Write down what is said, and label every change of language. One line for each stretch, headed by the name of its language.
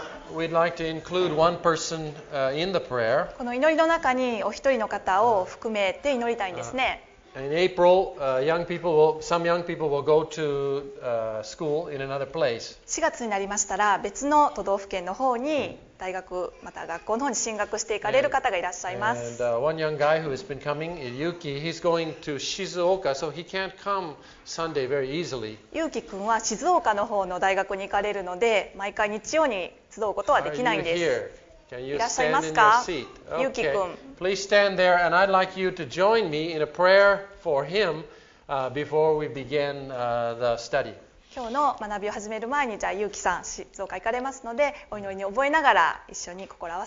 English: We'd like to include one person in the prayer.
Japanese: この祈りの中にお一人の方を含めて祈りたいんですね。
English: In April, some young people will go to school in another place.
Japanese: 4月になりましたら別の都道府県の方に大学また学校の方に進学して行かれる方がいらっしゃいます。
English: And one young guy who has been coming, Yuki, he's going to Shizuoka, so he can't come Sunday very easily.
Japanese: Yuki 君は静岡の方の大学に行かれるので毎回日曜に集うことはできないんです。
English: Are you here? Can you stand in your seat? Yuki君。Okay. Please stand there, and I'd like you to join me in a prayer for him before we begin the study.
Japanese: 今日の学びを始める前に、じゃあ、ゆうきさん、静岡行かれますので、お祈りに覚えながら、一緒に心を合わ